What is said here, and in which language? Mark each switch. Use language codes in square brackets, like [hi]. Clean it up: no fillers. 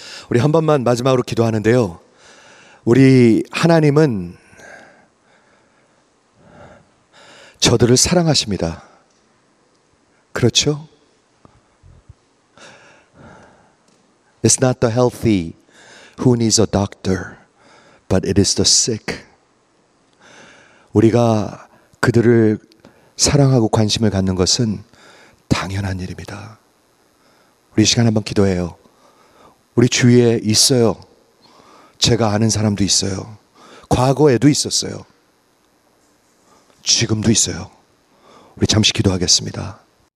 [ko] 우리 한 번만 마지막으로 기도하는데요. 우리 하나님은 저들을 사랑하십니다. 그렇죠? [en] It's not the healthy who needs a doctor, but it is the sick. [ko] 우리가 그들을 사랑하고 관심을 갖는 것은 당연한 일입니다. 우리 시간 한번 기도해요. 우리 주위에 있어요. 제가 아는 사람도 있어요. 과거에도 있었어요. 지금도 있어요. 우리 잠시 기도하겠습니다.